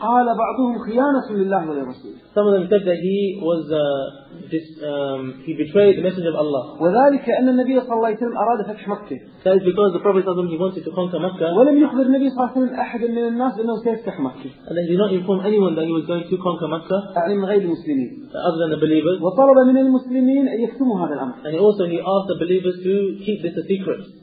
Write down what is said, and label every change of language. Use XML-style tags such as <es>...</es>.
<ar>قال بعضهم خيانة لله ولرسوله.</ar> <en>Some of them said that he was he betrayed the message of Allah.</en> <ar>وذلك أن النبي صلى الله عليه وسلم أراد فتح مكة.</ar> <en>That is because the Prophet صلى الله عليه وسلم wanted to conquer Mecca.</en> <ar>ولم يخبر النبي صلى الله عليه وسلم أحد من الناس أنه سيفتح مكة.</ar> <en>And he did not inform anyone that he was going to conquer Mecca.</en> <ar>يعني من غير المسلمين.</ar> <en>Other than the believers.</en> <ar>وطلب من المسلمين أن يكتموا هذا الأمر.</ar> <en>And also he asked the believers to keep this a secret.</en>